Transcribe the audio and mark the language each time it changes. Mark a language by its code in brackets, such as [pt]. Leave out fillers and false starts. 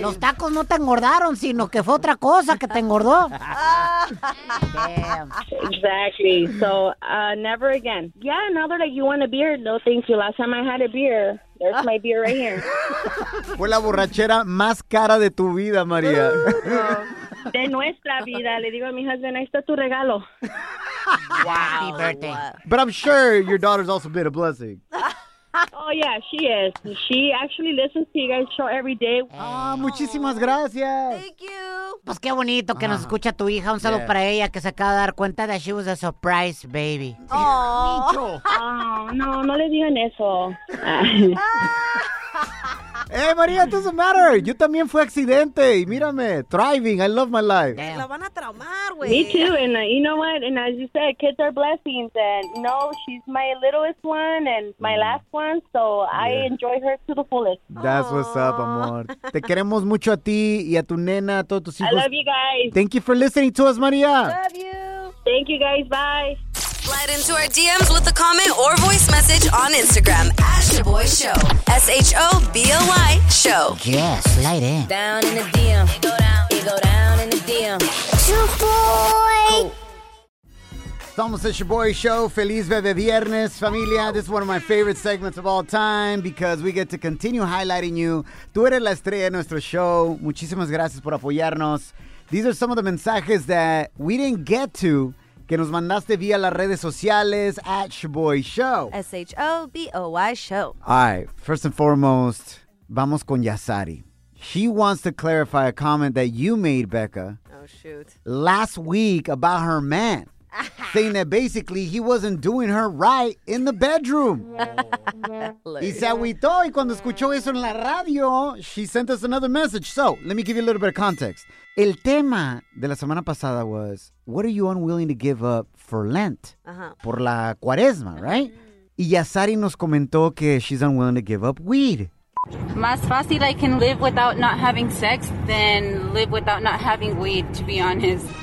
[es] Los tacos no te engordaron, sino que fue otra cosa que te engordó. [en] Damn. Exactly. So, never again. Yeah, now that you want a beer, no thank you. Last time I had a beer, there's my beer right here. [es] Fue la borrachera más cara de tu vida, María. De nuestra vida. Le digo a mi husband, ahí está tu regalo. [en] Wow. Happy birthday. But I'm sure your daughter's also been a blessing. Oh, yeah, she is. She actually listens to you guys' show every day. [es] Muchísimas gracias. [en] Thank you. [es] Pues qué bonito que nos escucha tu hija. Un saludo para ella que se acaba de dar cuenta [en] that she was a surprise baby. Oh, [es] no, no le digan eso. [en] Hey, María, it doesn't matter. [es] Yo también fui accidente. Y mírame, [en] thriving. I love my life. [es] Damn. La van a traumar, güey. [en] Me too. And you know what? And as you said, kids are blessings. And no, she's my littlest one and my last one. So I enjoy her to the fullest. That's what's up, amor. [es] Te queremos mucho a ti y a tu nena, a todos tus hijos. [en] I love you guys. Thank you for listening to us, María. Love you. Thank you, guys. Bye. Slide into our DMs with a comment or voice message on Instagram. @Shaboy Show. S-H-O-B-O-Y Show. Yeah, slide in. Down in the DM. It go down in the DM. Shaboy. [es] Estamos en Shaboy Show. Feliz Bebe Viernes, familia. [en] This is one of my favorite segments of all time because we get to continue highlighting you. [es] Tú eres la estrella de nuestro show. Muchísimas gracias por apoyarnos. [en] These are some of the mensajes that we didn't get to [es] que nos mandaste vía las redes sociales, [en] @Shaboy Show. S-H-O-B-O-Y Show. All right, first and foremost, [es] vamos con [en] Yasari. She wants to clarify a comment that you made, Becca. Oh, shoot. Last week about her man. saying that basically he wasn't doing her right in the bedroom. [es] Y se agüitó y cuando escuchó eso en la radio, [en] she sent us another message. So, let me give you a little bit of context. [es] El tema de la semana pasada [en] was, what are you unwilling to give up for Lent? Uh-huh. [es] Por la cuaresma, right? Y Yasari nos comentó que [en] she's unwilling to give up weed. [es] Más fácil [en] I can live without not having sex than live without not having weed, to be honest.